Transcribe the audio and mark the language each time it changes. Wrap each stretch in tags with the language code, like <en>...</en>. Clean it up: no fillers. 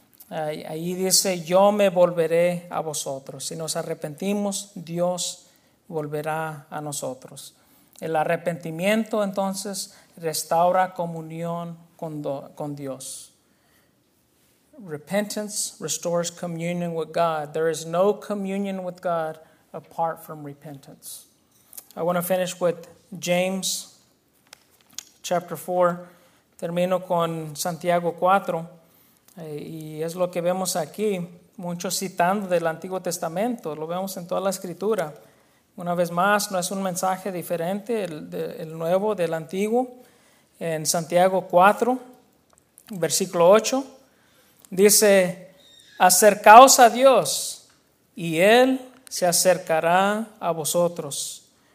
<es>Ahí dice, yo me volveré a vosotros. Si nos arrepentimos, Dios volverá a nosotros. El arrepentimiento entonces restaura comunión con Dios.</es> <en>Repentance restores communion with God. There is no communion with God apart from repentance. I want to finish with James chapter 4.</en> <es>Termino con Santiago 4. Y es lo que vemos aquí, mucho citando del Antiguo Testamento. Lo vemos en toda la Escritura. Una vez más, no es un mensaje diferente, el nuevo del antiguo. En Santiago 4, versículo 8, dice, acercaos a Dios y Él se acercará a vosotros.</es>